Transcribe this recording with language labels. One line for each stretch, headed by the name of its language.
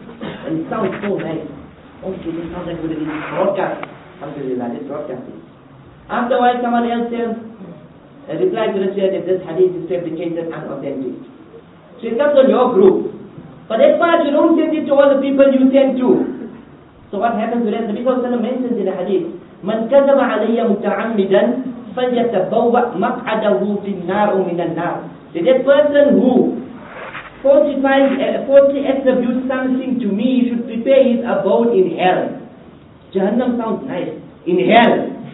English: And it sounds so nice. Okay, this sounds like good, it's broadcast. Alhamdulillah, it's broadcasting. After a while, someone else says, a reply to the share that this hadith is fabricated and authentic. So it comes on your group. But as far as you don't send it to all the people you send to, so what happens to them?
Arabic: The Prophet ﷺ mentions in the hadith, مَنْ كَذَبَ عَلَيَّ مُتَعَمِّدًا فَلْيَتَبَوَّأْ مَقْعَدَهُ فِي النَّارُ مِنَ النَّارِ.
English: So that person who falsely attributes something to me, he should prepare his abode in hell. Jahannam sounds nice. In hell.